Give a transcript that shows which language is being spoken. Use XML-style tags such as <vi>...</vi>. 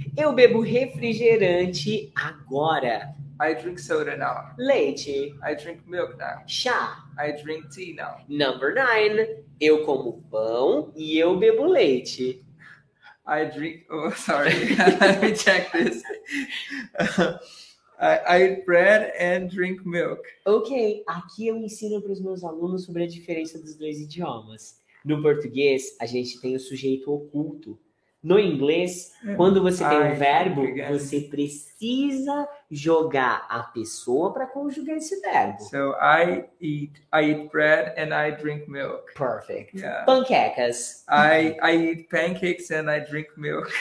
<pt>Eu bebo refrigerante agora.</pt> <en>I drink soda now.</en> <pt>Leite.</pt> <en>I drink milk now.</en> <pt>Chá.</pt> <en>I drink tea now. Number 9.</en> <pt>Eu como pão e eu bebo leite.</pt> <en>I drink... Oh, sorry. Let me check this. I eat bread and drink milk.</en> <pt>Ok, aqui eu ensino para os meus alunos sobre a diferença dos dois idiomas. No português, a gente tem o sujeito oculto. No inglês, quando você tem um verbo, você precisa jogar a pessoa para conjugar esse verbo.</pt> <en>So, I eat bread and I drink milk. Perfect. Yeah.</en> <pt>Panquecas.</pt> <en>I eat pancakes and I drink milk.</en>